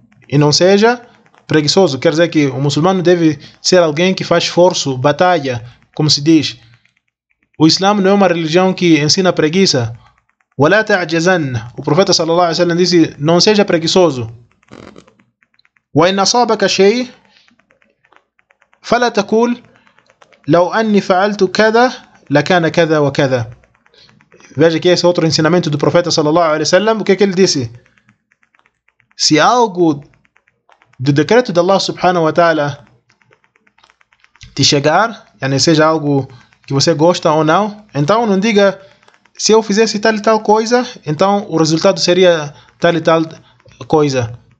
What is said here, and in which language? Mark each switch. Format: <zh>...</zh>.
<pt>E não seja preguiçoso. Quer dizer que o muçulmano deve ser alguém que faz esforço, batalha, como se diz. O Islam não é uma religião que ensina preguiça.</pt> <ar>وَلَا تَعْجَزَنْ</ar> <pt>O profeta sallallahu alaihi wasallam disse: não seja preguiçoso.</pt> <ar>وَإِنْ أَصَابَكَ شَيْءٌ فَلَا تَكُولْ لَوْ أَنِّي فَعَلْتُ كَذَا لَكَانَ كَذَا وَكَذَا</ar> <pt>Veja que esse é outro ensinamento do profeta sallallahu alaihi wasallam. O que é que ele disse? Se algo do decreto de Allah subhanahu wa ta'ala te chegar, yani seja algo que você gosta ou não, então não diga: se eu fizesse tal e tal coisa, então o resultado seria tal e tal coisa.</pt>